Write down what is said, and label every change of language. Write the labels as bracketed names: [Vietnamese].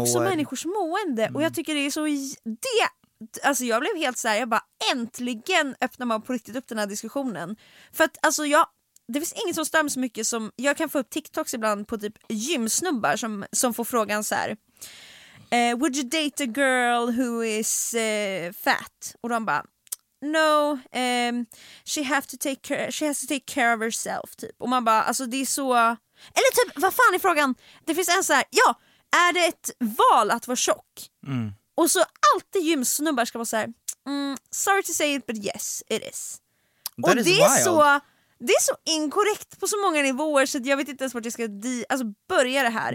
[Swedish] Också människors mående. Och jag tycker det är så... Alltså jag blev helt såhär, jag bara äntligen öppnar man på riktigt upp den här diskussionen. För att alltså jag... Det finns ingen som stämmer så mycket som... Jag kan få upp TikToks ibland på typ gymsnubbar som får frågan så här: [English] would you date a girl who is fat? [Swedish] Och de bara... [English] No, she has to take care of herself. [Swedish] Typ. Och man bara, alltså det är så... Eller typ, vad fan är frågan? Det finns en så här: ja, är det ett val att vara tjock? Mm. Och så alltid gymsnubbar ska vara så här: [English] sorry to say it, but yes, it is. That [Swedish] och [English] is [Swedish] det [English] wild. [Swedish] Är så... Det är så inkorrekt på så många nivåer så jag vet inte ens vart jag ska börja det här.